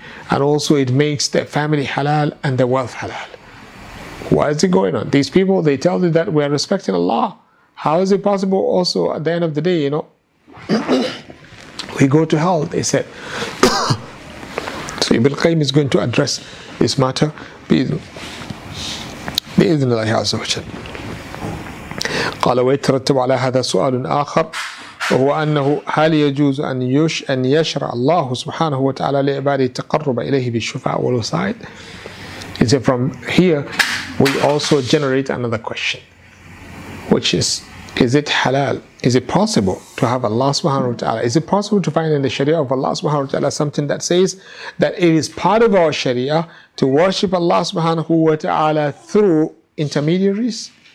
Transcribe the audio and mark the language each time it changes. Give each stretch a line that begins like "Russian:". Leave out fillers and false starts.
English: And also, it makes their family halal and their wealth halal. Why is it going on? These people, they tell you that we are respecting Allah. How is it possible also at the end of the day, you know, we go to hell, they said. So Ibn al-Qayyim is going to address this matter.
Arabic: بإذن الله عز وجل. قال ويترتب على هذا سؤال آخر وهو أنه هل يجوز أن يشرع الله سبحانه وتعالى لعباده التقرب إليه بالشفاء والوسائل.
English: Is it from here we also generate another question, which is, is it halal? Is it possible to have Allah subhanahu wa ta'ala? Is it possible to find in the sharia of Allah subhanahu wa ta'ala something that says that it is part of our sharia to worship Allah subhanahu wa ta'ala through intermediaries?